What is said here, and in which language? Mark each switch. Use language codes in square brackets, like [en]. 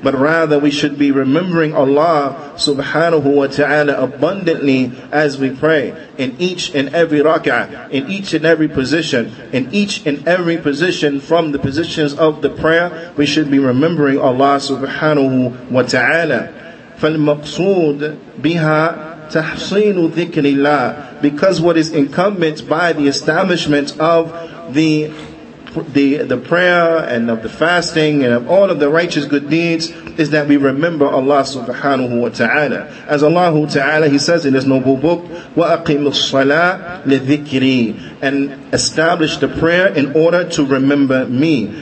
[en] But rather we should be remembering Allah subhanahu wa ta'ala abundantly as we pray in each and every rak'ah, in each and every position, in each and every position from the positions of the prayer, we should be remembering Allah subhanahu wa ta'ala. [ar] فالمقصود بها تحصين ذكر الله. [en] Because what is incumbent by the establishment of the prayer and of the fasting and of all of the righteous good deeds is that we remember Allah subhanahu wa ta'ala. As Allah ta'ala, He says in His noble book, [ar] وَأَقِمُ الصَّلَاةَ لِذِكْرِي, [en] and establish the prayer in order to remember me.